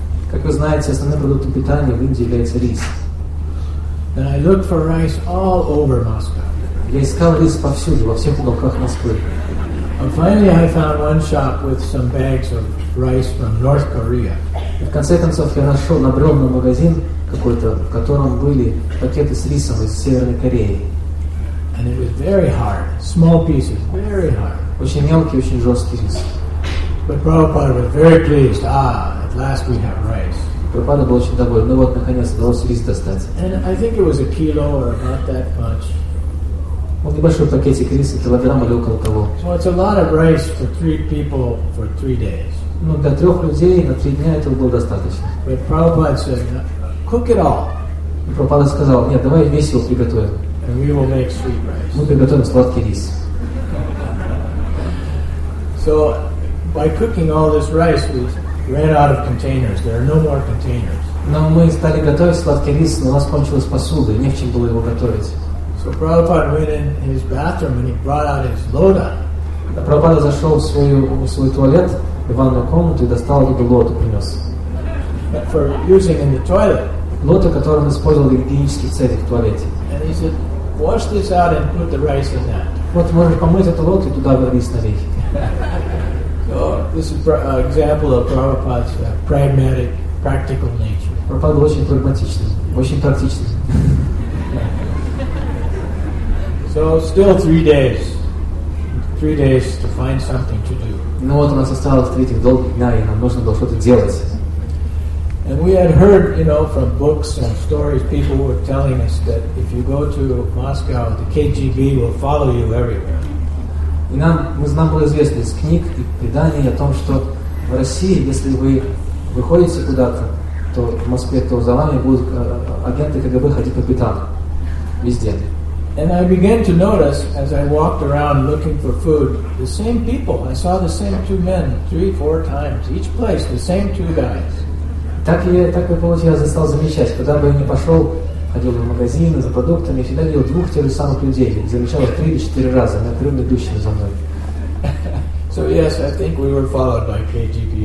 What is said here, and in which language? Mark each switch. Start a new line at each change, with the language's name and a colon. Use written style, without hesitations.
Russian: Как вы знаете, основным продуктом питания в Индии является рис.
English: And I looked for rice all over Moscow.
Russian: Я искал рис повсюду, во всех уголках Москвы.
English: And finally, I found one shop with some bags of rice from North Korea.
Russian: В конце концов я нашел набрёл магазин какой-то, в котором были пакеты с рисом из Северной Кореи.
English: And it was very hard, small pieces, very hard.
Russian: Очень мелкий, очень жесткий рис.
English: But Prabhupada was very pleased. Ah, at last we have rice.
Russian: Прабхупада был очень доволен. Ну вот наконец удалось рис достать.
English: And I think it was a kilo or about that much.
Russian: Вот небольшой пакетик риса, килограмм или около того.
English: So it's a lot of rice for three people for three days.
Russian: Ну, для трех людей на три дня этого было достаточно.
English: But Prabhupada said, cook it all.
Russian: Прабхупада сказал, нет, давай весь его приготовим.
English: And we will make sweet rice.
Russian: Мы приготовим сладкий рис.
English: So by cooking all this rice, we ran out of containers. There are no more containers.
Russian: Но мы стали готовить сладкий рис, но у нас кончилась посуда, и не в чем было его готовить.
English: So Prabhupada went in his bathroom and he brought out his loda.
Russian: Прабхупада зашел в свой туалет, в ванную комнату и достал эту лоду, принес.
English: For using in the toilet.
Russian: Лоду, которую он использовал в гигиенических целях в туалете.
English: And he said, wash this out and put the rice in that.
Russian: Вот можешь помыть эту лоду и туда рис налить.
English: So this is an example of Prabhupada's pragmatic, practical nature.
Russian: Прабхупада очень прагматичный, очень практичный.
English: So still 3 days. 3 days to find something to do.
Russian: Ну вот у нас осталось 3 долгих дня, и нам нужно было что-то делать.
English: And we had heard, you know, from books and stories, people were telling us that if you go to Moscow, the KGB will follow you everywhere.
Russian: И нам было известно из книг и преданий о том, что в России, если вы выходите куда-то, то в Москве, то за вами будут агенты КГБ ходить по пятам. Везде.
English: And I began to notice, as I walked around looking for food, the same people. I saw the same two men 3-4 times, each place, the same two guys.
Russian: Так я стал замечать, когда бы я не пошел, ходил в магазины за продуктами, всегда видел двух тех же самых людей. Замечал их 3-4 раза, непрерывно идущие за мной.
English: So yes, I think we were followed by KGB.